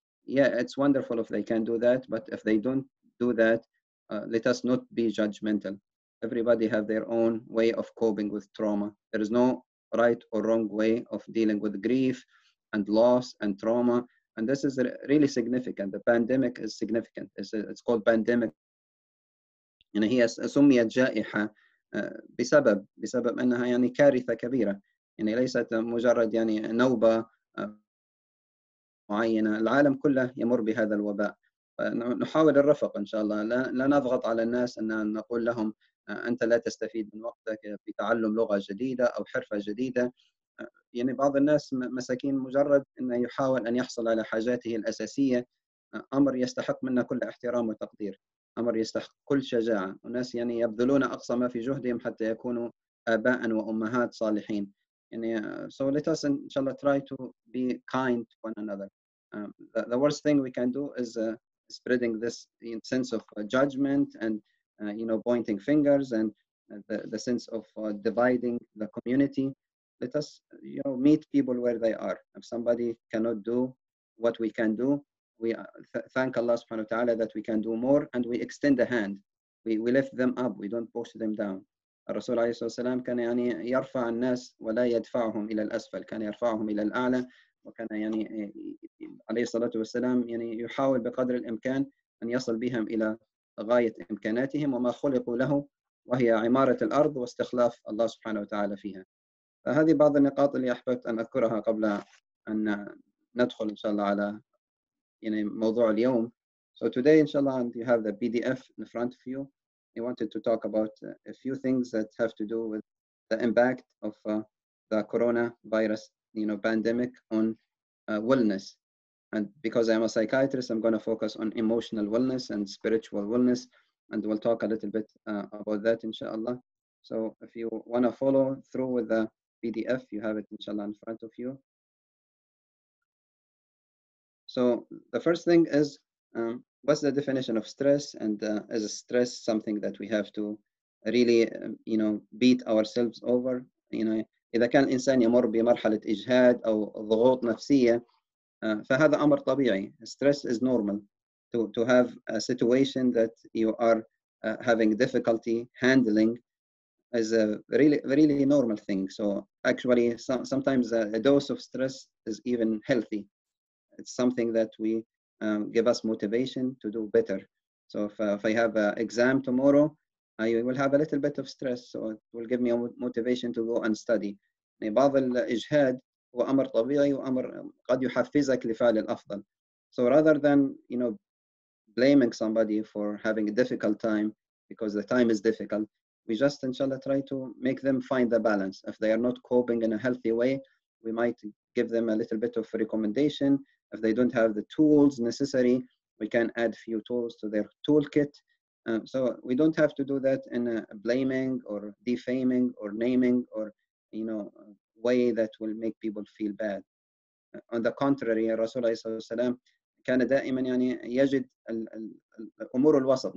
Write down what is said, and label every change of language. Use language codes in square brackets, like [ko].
[en] Yeah, it's wonderful if they can do that. But if they don't do that, let us not be judgmental. Everybody have their own way of coping with trauma. There is no right or wrong way of dealing with grief and loss and trauma. And this is really significant. The pandemic is significant. It's called pandemic. And [ar] هي سميت جائحة بسبب أنها يعني كارثة كبيرة. يعني ليست مجرد يعني نوبة معينة. العالم كله يمر بهذا الوباء. نحاول الرفق إن شاء الله، لا نضغط على الناس أن نقول لهم أنت لا تستفيد من وقتك في تعلم لغة جديدة أو حرفة جديدة. يعني بعض الناس مساكين مجرد أن يحاول أن يحصل على حاجاته الأساسية أمر يستحق منا كل احترام وتقدير. أمر يستحق كل شجاعة. وناس يعني يبذلون أقصى ما في جهدهم حتى يكونوا آباء وأمهات صالحين. يعني [en] so let us [ar] إن شاء الله [en] try to be kind to one another. The worst thing we can do is spreading this sense of judgment and you know pointing fingers and the sense of dividing the community. Let us you know meet people where they are. If somebody cannot do what we can do, we thank Allah subhanahu wa ta'ala that we can do more, and we extend a hand. We lift them up. We don't push them down. [ar] الرسول عليه الصلاة والسلام كان يعني يرفع الناس ولا يدفعهم إلى الأسفل. كان يرفعهم إلى الأعلى. وكان يعني عليه الصلاة والسلام يعني يحاول بقدر الإمكان أن يصل بهم إلى غاية إمكاناتهم وما خلقوا له, وهي عمارة الأرض واستخلاف الله سبحانه وتعالى فيها. فهذه بعض النقاط اللي أحببت أن أذكرها قبل أن ندخل إن شاء الله على يعني موضوع اليوم. [en] So today [ar] إن شاء الله [en] and you have the PDF in front of you. I wanted to talk about a few things that have to do with the impact of the coronavirus, you know, pandemic on wellness. And because I'm a psychiatrist, I'm going to focus on emotional wellness and spiritual wellness, and we'll talk a little bit about that inshallah. So if you want to follow through with the PDF, you have it inshallah in front of you. So the first thing is, what's the definition of stress, and is stress something that we have to really you know beat ourselves over? You know, [ar] إذا كان الإنسان يمر بمرحلة إجهاد أو ضغوط نفسية فهذا أمر طبيعي. [en] Stress is normal to have a situation that you are having difficulty handling is a really normal thing. So actually sometimes a dose of stress is even healthy. It's something that we give us motivation to do better. So if I have an exam tomorrow, I will have a little bit of stress, so it will give me a motivation to go and study. [ar] بعض الإجهاد هو أمر طبيعي وأمر قد يحفزك لفعل الأفضل. [en] So rather than you know blaming somebody for having a difficult time because the time is difficult, we just inshallah try to make them find the balance. If they are not coping in a healthy way, we might give them a little bit of recommendation. If they don't have the tools necessary, we can add few tools to their toolkit. So we don't have to do that in a blaming or defaming or naming or you know way that will make people feel bad. On the contrary, [ar] Rasulullah صلى الله عليه وسلم كان دائما يعني يجد الأمور الوسط.